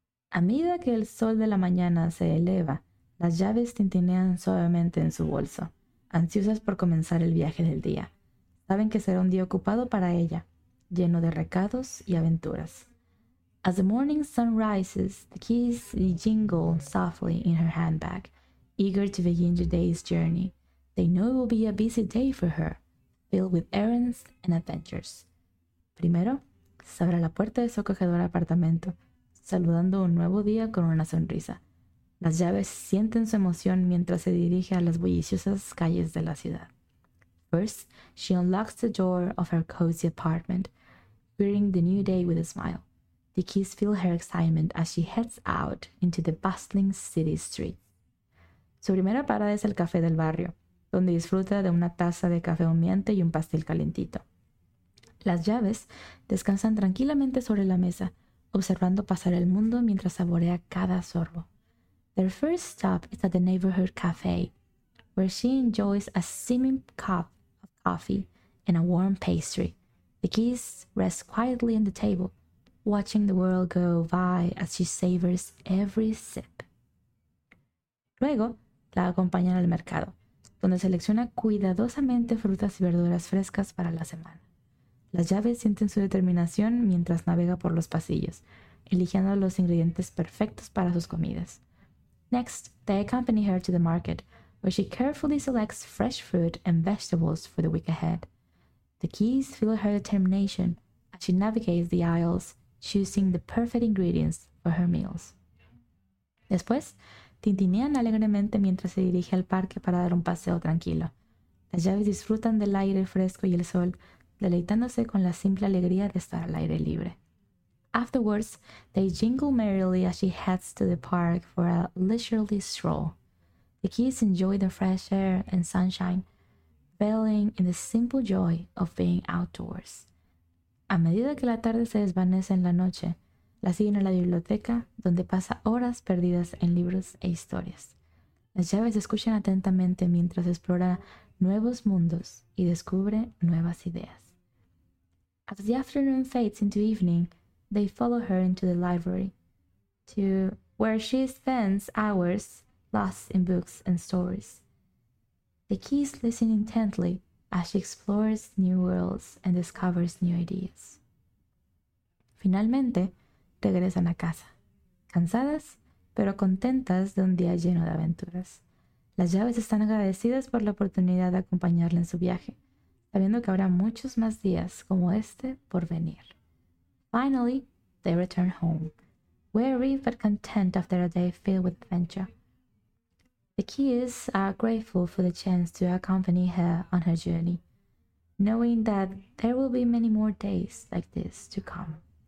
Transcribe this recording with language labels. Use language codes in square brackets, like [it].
[es] A medida que el sol de la mañana se eleva, las llaves tintinean suavemente en su bolso, ansiosas por comenzar el viaje del día. Saben que será un día ocupado para ella, lleno de recados y aventuras. [en] As the morning sun rises, the keys jingle softly in her handbag, eager to begin the day's journey. They know it will be a busy day for her, filled with errands and adventures. [es] Primero, se abre la puerta de su acogedor apartamento, saludando un nuevo día con una sonrisa. Las llaves sienten su emoción mientras se dirige a las bulliciosas calles de la ciudad. [en] First, she unlocks the door of her cozy apartment, greeting the new day with a smile. The keys feel her excitement as she heads out into the bustling city street. [es] Su primera parada es el café del barrio, donde disfruta de una taza de café humeante y un pastel calentito. Las llaves descansan tranquilamente sobre la mesa, observando pasar el mundo mientras saborea cada sorbo. [en] Their first stop is at the neighborhood cafe, where she enjoys a steaming cup of coffee and a warm pastry. The keys rest quietly on the table, watching the world go by as she savors every sip. [es] Luego, la acompañan al mercado, donde selecciona cuidadosamente frutas y verduras frescas para la semana. Las llaves sienten su determinación mientras navega por los pasillos, eligiendo los ingredientes perfectos para sus comidas. [en] Next, they accompany her to the market, where she carefully selects fresh fruit and vegetables for the week ahead. The keys feel her determination as she navigates the aisles, choosing the perfect ingredients for her meals. [es] Después, tintinean alegremente mientras se dirige al parque para dar un paseo tranquilo. Las llaves disfrutan del aire fresco y el sol, deleitándose con la simple alegría de estar al aire libre. [en] Afterwards, they jingle merrily as she heads to the park for a leisurely stroll. The keys enjoy the fresh air and sunshine, reveling in the simple joy of being outdoors. [es] A medida que la tarde se desvanece en la noche, la siguen a la biblioteca, donde pasa horas perdidas en libros e historias. Las llaves escuchan atentamente mientras explora nuevos mundos y descubre nuevas ideas. [en] As the afternoon fades into evening, they follow her into the library, to where she spends hours lost in books and stories. The keys listen intently as she explores new worlds and discovers new ideas. [es] Finalmente, regresan a casa, cansadas, pero contentas de un día lleno de aventuras. Las llaves están agradecidas por la oportunidad de acompañarla en su viaje, sabiendo que habrá muchos más días como este por venir. [en] Finally, they return home, weary but content after a day filled with adventure. The keys are grateful for the chance to accompany her on her journey, knowing that there will be many more days like this to come.